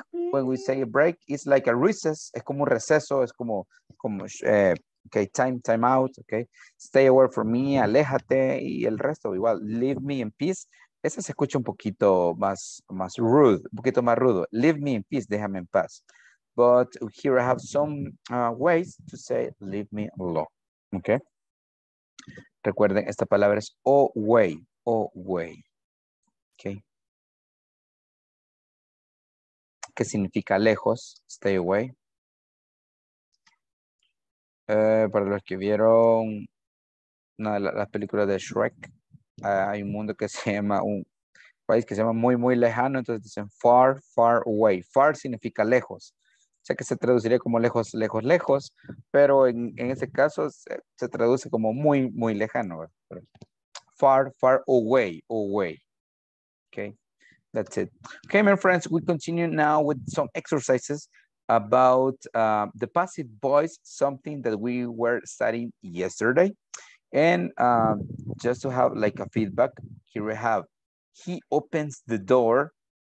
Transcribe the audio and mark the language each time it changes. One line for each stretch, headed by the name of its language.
English: When we say a break, it's like a recess.
Spanish: Es como un receso, es como
English: okay, time out.
Spanish: Okay.
English: Stay away from me,
Spanish: aléjate y el resto. Igual,
English: leave me in peace.
Spanish: Ese se escucha un poquito más rude, un poquito más rudo.
English: Leave me in peace,
Spanish: déjame en paz.
English: But here I have some ways to say leave me alone. Okay.
Spanish: Recuerden, esta palabra es away, away. Okay. ¿Qué significa lejos?
English: Stay away.
Spanish: Para los que vieron una de las películas de Shrek, hay un mundo que se llama, un país que se llama muy, muy lejano, entonces dicen
English: far, far away.
Spanish: Far significa lejos. Sé que se traduciría como lejos, lejos, lejos, pero en ese caso se traduce como muy, muy lejano.
English: Far, far away, away. Okay, that's it. Okay, my friends, we continue now with some exercises about the passive voice, something that we were studying yesterday. And just to have like a feedback, here we have, he opens the door.